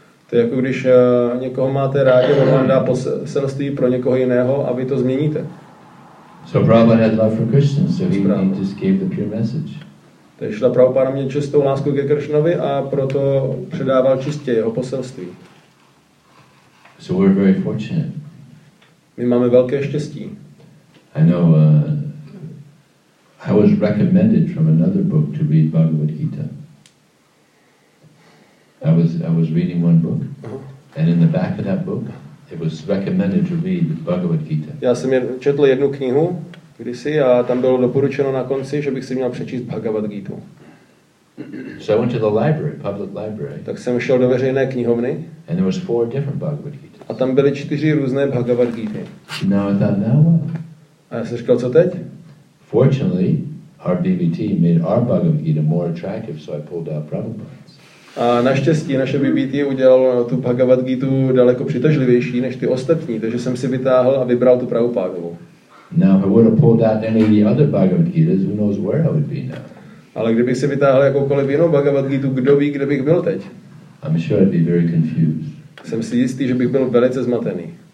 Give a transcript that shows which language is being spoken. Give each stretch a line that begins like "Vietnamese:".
Czech: To je jako když někoho máte rádi, on vám dá poselství pro někoho jiného a vy to změníte.
English: So Prabhupada had love for Krishna, so he just gave the pure message.
Czech: Takže šla Prabhupada měl čistou lásku ke Krishnovi a proto předával čistě jeho poselství.
English: So we're very fortunate.
Czech: My máme velké štěstí.
English: I know I was recommended from another book to read Bhagavad Gita. I was reading one book, and in the back of that book, it was recommended to read Bhagavad Gita.
Czech: Já jsem četl jednu knihu, kdysi, a tam bylo doporučeno na konci, že bych si měl přečíst Bhagavad Gita.
English: So I went to the library, public library.
Czech: Tak jsem šel do veřejné knihovny.
English: And there was four different Bhagavad Gita.
Czech: A tam byly čtyři různé Bhagavad Gita.
English: Now I thought, now what?
Czech: A já jsem říkal, co teď?
English: Fortunately, our BBT made our Bhagavad Gita more attractive, so I pulled out Prabhupada's.
Czech: A naštěstí naše BBT udělal tu Bhagavad Gita daleko přitažlivější než ty ostatní, takže jsem si vytáhl a vybral tu Prabhupádovu.
English: Now, if I would have pulled out any of the other Bhagavad Gitas, who knows where I would be now?
Czech: Ale kdybych si vytáhl jakoukoliv jinou Bhagavad Gita, kdo ví, kde bych byl teď?
English: I'm sure I'd be very confused.
Czech: Jsem si jistý, že bych byl velice zmatený.